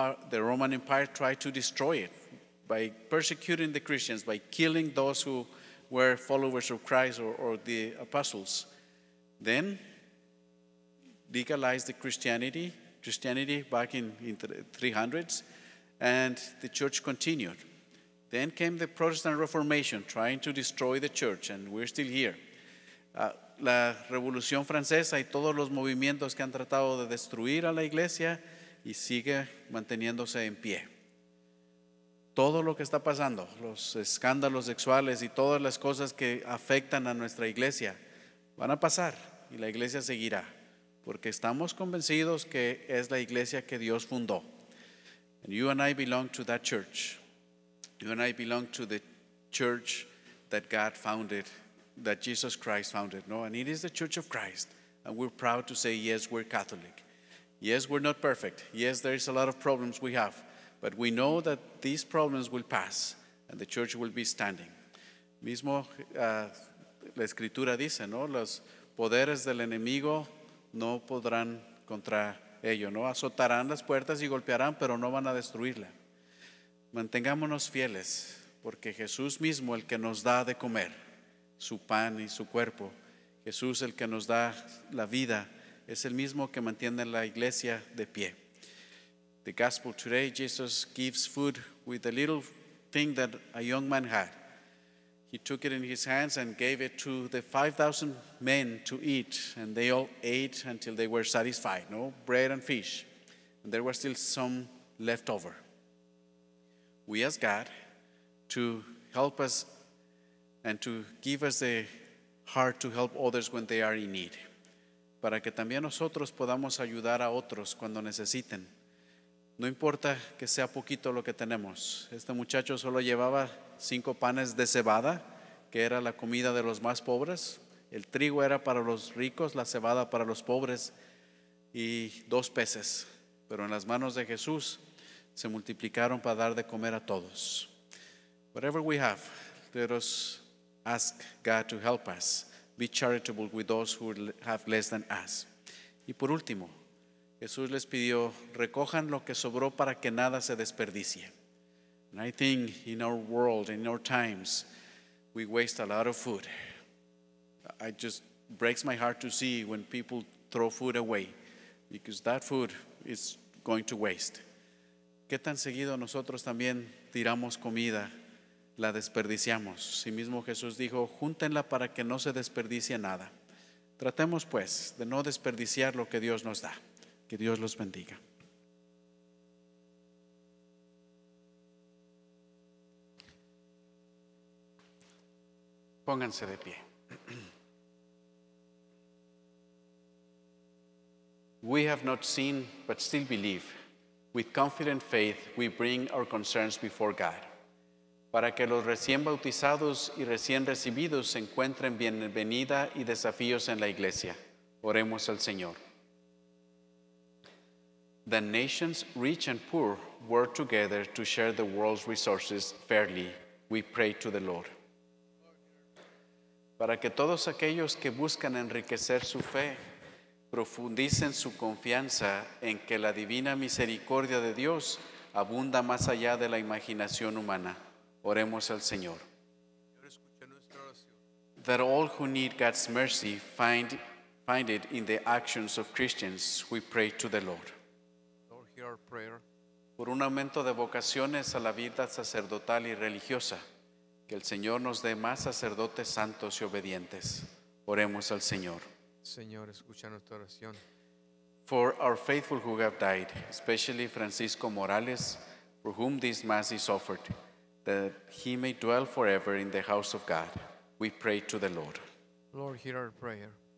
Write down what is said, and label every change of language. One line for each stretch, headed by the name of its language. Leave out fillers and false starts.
English: The Roman Empire tried to destroy it by persecuting the Christians, by killing those who were followers of Christ or the apostles. Then legalized the Christianity back in the 300s, and the church continued. Then came the Protestant Reformation, trying to destroy the church, and we're still here.
Spanish: La Revolución Francesa y todos los movimientos que han tratado de destruir a la iglesia y sigue manteniéndose en pie. Todo lo que está pasando, los escándalos sexuales y todas las cosas que afectan a nuestra iglesia, van a pasar y la iglesia seguirá. Porque estamos convencidos que es la iglesia que Dios fundó.
English: And you and I belong to that church. You and I belong to the church that God founded, that Jesus Christ founded. No, and it is the Church of Christ. And we're proud to say, yes, we're Catholic. Yes, we're not perfect. Yes, there is a lot of problems we have. But we know that these problems will pass and the church will be standing.
Spanish: Mismo la escritura dice, ¿no? Los poderes del enemigo no podrán contra ello, ¿no? Azotarán las puertas y golpearán, pero no van a destruirla. Mantengámonos fieles, porque Jesús mismo, el que nos da de comer su pan y su cuerpo, Jesús, el que nos da la vida, es el mismo que mantiene la iglesia de pie.
English: The gospel today, Jesus gives food with the little thing that a young man had. He took it in his hands and gave it to the 5,000 men to eat, and they all ate until they were satisfied, no? Bread and fish. And there were still some left over. We ask God to help us and to give us the heart to help others when they are in need.
Spanish: Para que también nosotros podamos ayudar a otros cuando necesiten. No importa que sea poquito lo que tenemos. Este muchacho solo llevaba 5 panes de cebada, que era la comida de los más pobres. El trigo era para los ricos, la cebada para los pobres, y 2 peces. Pero en las manos de Jesús se multiplicaron para dar de comer a todos.
English: Whatever we have, let us ask God to help us. Be charitable with those who have less than us.
Spanish: Y por último, Jesús les pidió, recojan lo que sobró para que nada se desperdicie.
English: And I think in our world, in our times, we waste a lot of food. It just breaks my heart to see when people throw food away, because that food is going to waste.
Spanish: ¿Qué tan seguido nosotros también tiramos comida, la desperdiciamos? Sí mismo Jesús dijo, júntenla para que no se desperdicie nada. Tratemos pues de no desperdiciar lo que Dios nos da. Que Dios los bendiga. Pónganse de pie.
English: We have not seen, but still believe. With confident faith, we bring our concerns before God.
Spanish: Para que los recién bautizados y recién recibidos se encuentren bienvenida y desafíos en la iglesia. Oremos al Señor.
English: The nations rich and poor work together to share the world's resources fairly. We pray to the Lord.
Spanish: Para que todos aquellos que buscan enriquecer su fe profundicen su confianza en que la divina misericordia de Dios abunda más allá de la imaginación humana. Oremos al Señor.
English: That all who need God's mercy find it in the actions of Christians. We pray to the Lord. Our prayer.
Spanish: Por un aumento de vocaciones a la vida sacerdotal y religiosa, que el Señor nos dé más sacerdotes santos y obedientes. Oremos al Señor. Señor, escucha nuestra oración.
English: For our faithful who have died, especially Francisco Morales, for whom this Mass is offered, that he may dwell forever in the house of God, we pray to the Lord. Lord, hear our prayer.